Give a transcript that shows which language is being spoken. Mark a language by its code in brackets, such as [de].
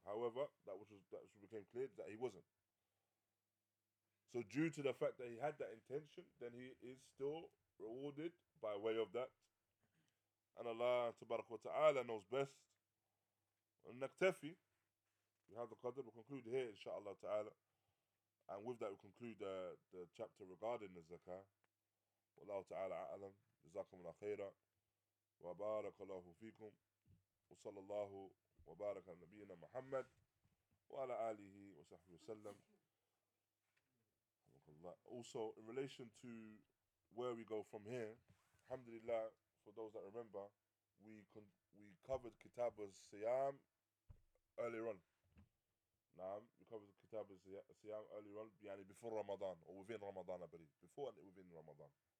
[en] However, that which became clear that he wasn't. So due to the fact that he had that intention, then he is still rewarded by way of that. And Allah tabarak wa ta'ala knows best. And naktafi, we have the qadr, we'll conclude here inshaAllah ta'ala. And with that we'll conclude the chapter regarding the zakah. [ar] والله تعالى أعلم جزاكم الله خيرا وبارك الله فيكم وصلى الله وبارك على نبينا محمد وعلى آله وصحبه وسلم. [en] Also in relation to where we go from here, alhamdulillah, for those that remember, we covered Kitab al-Siyam earlier on. Naam, we covered Kitab al-Siyam earlier on, yani before Ramadan or within Ramadan, I believe, before and within Ramadan.